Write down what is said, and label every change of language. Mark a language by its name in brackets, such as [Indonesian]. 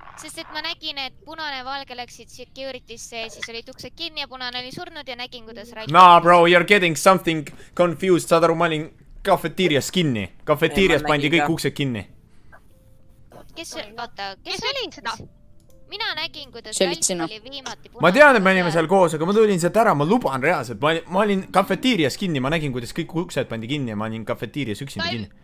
[Estonian] Sest et ma nägin, et punane valge läksid securitysse ja siis oli tukse kinni ja punane oli surnud ja nägin, kuidas Ralph [English] nah, bro, you're getting something confused. [Estonian] Saad aru, ma olin kafeteerias kinni. Kafeteerias pandi kõik uksed kinni. Kes, oota, kes oli seda? Mina nägin, kuidas Ralf oli viimati punane. Ma tean, et me olime seal koos, aga ma tulin seda ära, ma luban reaalselt. Ma olin kafeteerias kinni, ma nägin, kuidas kõik uksed pandi kinni ja ma olin kafeteerias üksin kinni.